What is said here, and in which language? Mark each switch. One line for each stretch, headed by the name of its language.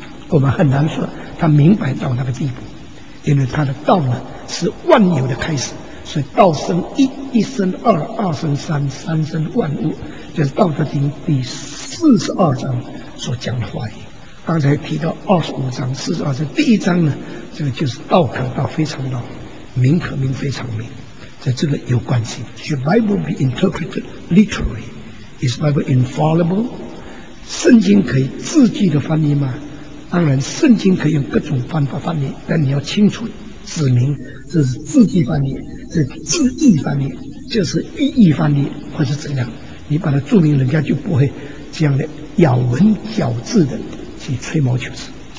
Chinese: 我们很难说他明白到那个地步，因为他的道呢是万有的开始，所以道生一，一生二，二生三，三生万物，就是《道德经》第四十二章所讲的话语。刚才提到二十五章、四十二章，第一章呢，这个就是道可道，非常道；名可名，非常名。在这个有关系。
English: The Bible be interpreted literally, is Bible infallible?
Chinese: 圣经可以字句的翻译吗？当然，圣经可以用各种方法翻译，但你要清楚指明这是字句翻译，这是字义翻译，就是意义翻译，或是怎样？你把它注明，人家就不会这样的咬文嚼字的去吹毛求疵。